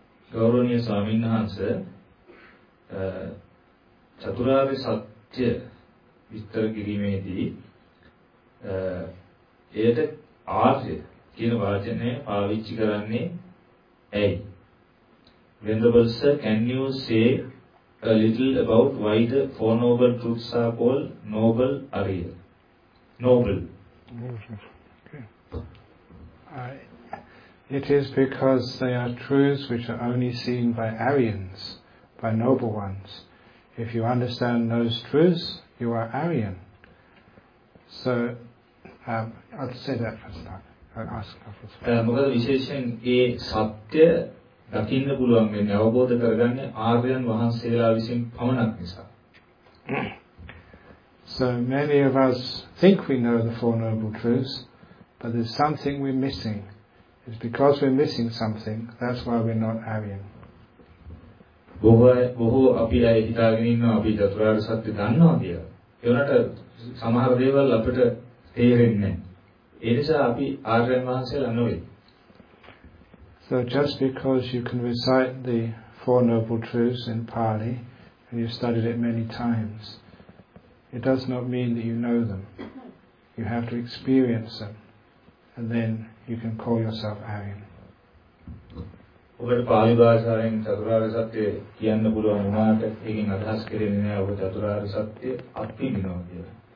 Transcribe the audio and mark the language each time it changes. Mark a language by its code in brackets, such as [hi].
[si] ගෞරවනීය ස්වාමීන් වහන්සේ, චතුරාර්ය සත්‍ය විස්තර කිරීමේදී එයට ආර්ය කියන වචනය පාවිච්චි කරන්නේ ඇයි? [en] Venerable sir, can you say a little about why the four noble truths are called noble arya? Noble. Okay. It is because they are truths which are only seen by Aryans, by noble ones. If you understand those truths, you are Aryan. So, I'll say that for a start. I'll ask a couple of questions. [si] මොකද විශේෂයෙන් ඒ සත්‍ය දකින්න පුළුවන් වෙන්නේ අවබෝධ කරගන්නේ ආර්යයන් වහන්සේලා විසින් පමණක් නිසා. [en] So many of us think we know the Four Noble Truths, but there's something we're missing. It's because we're missing something, that's why we're not Aryan. [si] බොහෝ අපි අය හිතාගෙන ඉන්නවා අපි චතුරාර්ය සත්‍ය දන්නවා කියලා. ඒ වුණාට සමහර දේවල් අපිට තේරෙන්නේ නැහැ. ඒ නිසා අපි ආර්යයන් වහන්සේලා නෙවෙයි. [en] So just because you can recite the Four Noble Truths in Pali and you've studied it many times, it does not mean that you know them. You have to experience them and then you can call yourself Aryan. [si] ඔබට පාලි භාෂාවෙන් චතුරාර්ය සත්‍ය කියන්න පුළුවන් වුණාට ඒකෙන් අදහස් කරන්නේ නෑ ඔබ චතුරාර්ය සත්‍ය අත්විඳිනවා කියලා.